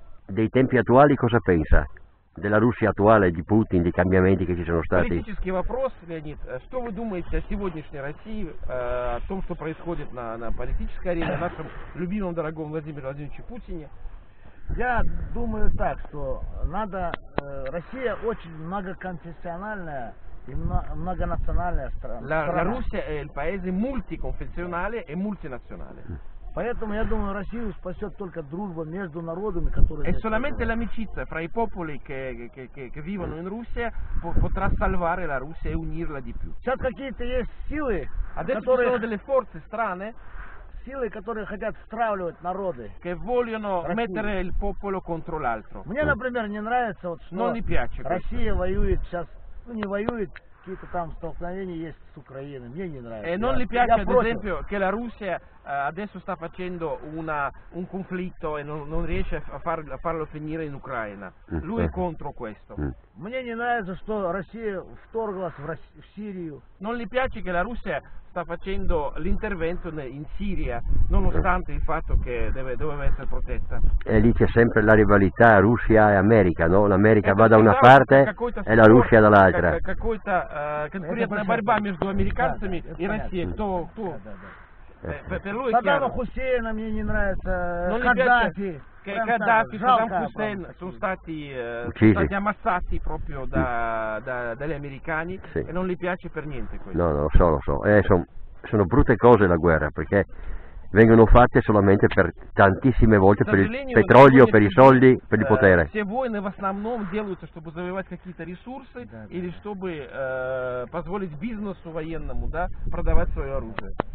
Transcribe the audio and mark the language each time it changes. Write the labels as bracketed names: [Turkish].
[Italian] Dei tempi attuali cosa pensa? Della Russia attuale, di Putin, dei cambiamenti che ci sono stati. [Russian] Politический вопрос, Леонид. Что вы думаете о сегодняшней России, о том, что происходит на политической арене, нашем любимом дорогом Владимире Владимировиче Путине? Я думаю так, что надо. Россия очень многоконфессиональная и многонациональная страна. [Italian] La Russia è il paese multiconfessionale e multinazionale. [Russian] Поэтому я думаю, Россию спасет только дружба между народами, которые. [Italian] E solamente l'amicizia fra i popoli che vivono in Russia potrà salvare la Russia e unirla di più. [Russian] Сейчас какие-то есть силы, которые. [Italian] Ci sono delle forze strane. [Russian] Силы, которые хотят стравливать народы. [Italian] Che vogliono mettere il popolo contro l'altro. [Russian] Мне, например, не нравится вот что. [Italian] Non mi piace. [Russian] Россия воюет сейчас, ну не воюет. Какие-то там столкновения есть с Украиной. Мне не нравится. [Italian] Non gli piace, ad esempio, che la Russia adesso sta facendo un conflitto e non riesce a farlo finire in Ucraina. Lui è contro questo. [Russian] Мне не нравится, что Россия вторглась в Сирию. [Italian] Non gli piace che la Russia sta facendo l'intervento in Siria, nonostante il fatto che doveva essere protetta. E lì c'è sempre la rivalità Russia e America, no? L'America va da una parte e la Russia dall'altra. [Russian] Какой-то конкурентная борьба между американцами и Россией. Кто? [Italian] Per lui Saddam Hussein a me non [Russian] нравится. [Italian] Non gli piace che Gaddafi, Saddam Hussein sono stati uccisi, ammassati proprio dagli americani, sì. E non gli piace per niente questo. No, lo so. Sono brutte cose la guerra, perché vengono fatte solamente per tantissime volte per il petrolio, per i soldi, per il potere. [Russian] Se войны в основном делаются, чтобы завоевать какие-то ресурсы или чтобы позволить бизнесу военному, да, продавать свое оружие.